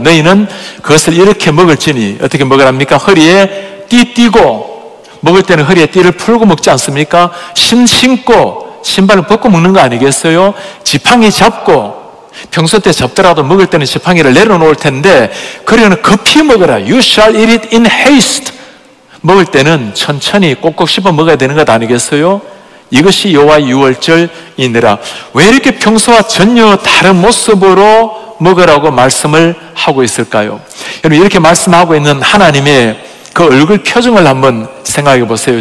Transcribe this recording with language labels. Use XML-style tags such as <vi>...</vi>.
<ko>너희는 그것을 이렇게 먹을지니 어떻게 먹으랍니까? 허리에 띠 띠고, 먹을 때는 허리에 띠를 풀고 먹지 않습니까? 신고 신발을 벗고 먹는 거 아니겠어요? 지팡이 잡고, 평소 때 잡더라도 먹을 때는 지팡이를 내려놓을 텐데 그러면 급히 먹어라.</ko> <en>You shall eat it in haste.</en> <ko>먹을 때는 천천히 꼭꼭 씹어 먹어야 되는 것 아니겠어요? 이것이 여호와의 유월절이니라. 왜 이렇게 평소와 전혀 다른 모습으로 먹으라고 말씀을 하고 있을까요? 여러분, 이렇게 말씀하고 있는 하나님의 그 얼굴 표정을 한번 생각해 보세요.</ko>